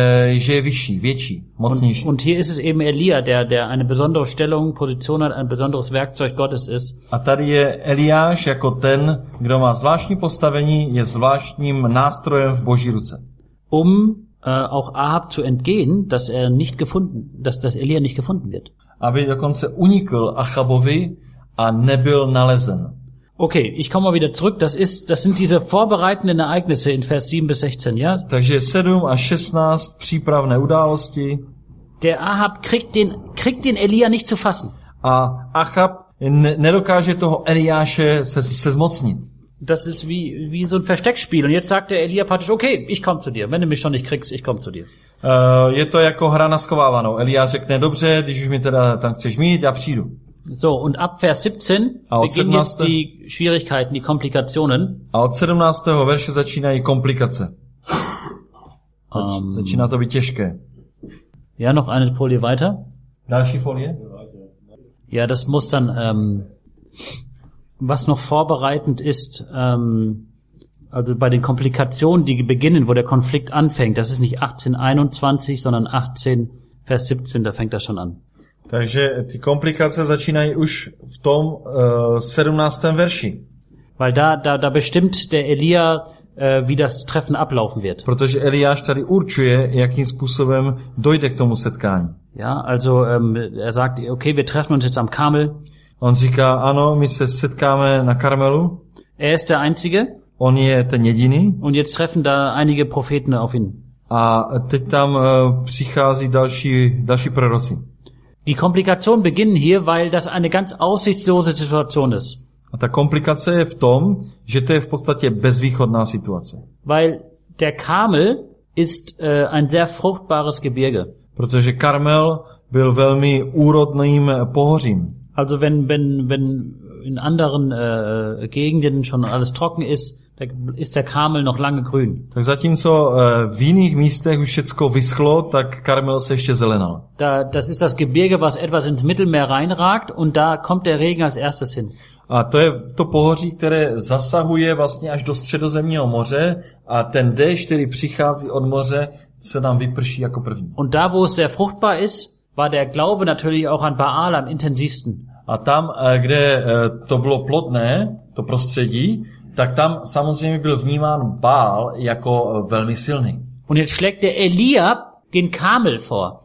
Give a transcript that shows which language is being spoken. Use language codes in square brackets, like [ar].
[cs] že je vyšší, větší, mocnější. [de] Und hier ist es eben Elia, der eine besondere Stellung, Position hat, ein besonderes Werkzeug Gottes ist. [cs] A tady je Eliáš jako ten, kdo má zvláštní postavení, je zvláštním nástrojem v Boží ruce. [de] Auch Ahab zu entgehen, dass er nicht gefunden, dass Elia nicht gefunden wird. [cs] Aby dokonce unikl Achabovi a nebyl nalezen. [de] Okay, ich komme mal wieder zurück. Das sind diese vorbereitenden Ereignisse in Vers 7 bis 16, ja? [cs] Takže 7 a 16 přípravné události. [de] Der Ahab kriegt den Elia nicht zu fassen. [cs] A Achab nedokáže toho Eliáše se zmocnit. [de] Das ist wie so ein Versteckspiel und jetzt sagt der Elia praktisch, okay, ich komme zu dir. Wenn du mich schon nicht kriegst, ich komme zu dir. [cs] Je to jako hra na schovávanou. Elia řekne, dobře, když už mi teda tam chceš mít, já přijdu. [de] So, und ab Vers 17 beginnen jetzt die Schwierigkeiten, die Komplikationen. [cs] A od 17. verše začínají komplikace. Začíná to být těžké. [de] Ja, noch eine Folie weiter. [cs] Další folie? [de] Ja, das muss dann... Was noch vorbereitend ist, also bei den Komplikationen, die beginnen, wo der Konflikt anfängt, das ist nicht 18:21, sondern 18 Vers 17, da fängt das schon an. [cs] Takže ty komplikace začínají už v tom 17. verši. [de] Weil da bestimmt der Elia, wie das Treffen ablaufen wird. [cs] Protože Eliáš tady určuje, jakým způsobem dojde k tomu setkání. [de] Ja, also er sagt, okay, wir treffen uns jetzt am Karmel. [cs] On říká, ano, my se setkáme na Karmelu. [de] Er ist der Einzige. [cs] On je ten jediný. [de] Und jetzt treffen da einige Propheten auf ihn. [cs] A teď tam přichází další proroci. [de] Die Komplikation beginnt hier, weil das eine ganz aussichtslose Situation ist. [cs] A ta komplikace je v tom, že to je v podstatě bezvýchodná situace. [de] Weil der Karmel ist ein sehr fruchtbares Gebirge. [cs] Protože Karmel byl velmi úrodným pohořím. [de] Also wenn in anderen Gegenden schon alles trocken ist, da ist der Karmel noch lange grün. [cs] Tak zatímco v jiných místech už všecko vyschlo, tak Karmel se ještě zelenal. [de] Das ist das Gebirge, was etwas ins Mittelmeer reinragt und da kommt der Regen als erstes hin. [cs] A to je to pohoří, které zasahuje vlastně až do Středozemního moře a ten déšť, který přichází od moře, se nám vyprší jako první. [de] Und da wo es sehr fruchtbar ist, war der Glaube natürlich auch an Baal am intensivsten. [cs] A tam, kde to bylo plodné, to prostředí, tak tam samozřejmě byl vnímán Baal jako velmi silný. [de] Und jetzt schlägt der Elia den Karmel vor.